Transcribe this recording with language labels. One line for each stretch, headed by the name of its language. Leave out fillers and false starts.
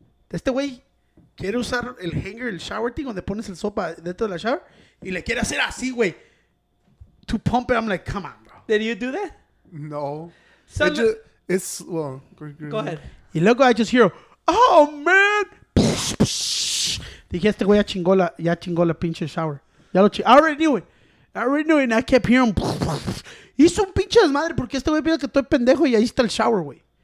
Spanish: Este güey quiere usar el hanger, el shower thing, donde pones el sopa dentro de la shower, y le quiere hacer así, güey.
English: To pump it, I'm like, come on, bro. Did you do that? No. So it just, it's, well... Go ahead.
Spanish: Y luego
English: I just hear, oh, man! Psh, psh.
Spanish: Dije, este güey ya chingó la pinche shower. Ya lo chingó.
English: I already knew it, and I kept hearing... Psh, psh.
Spanish: Hizo un pinche desmadre porque este güey piensa que estoy pendejo y ahí está el shower, güey.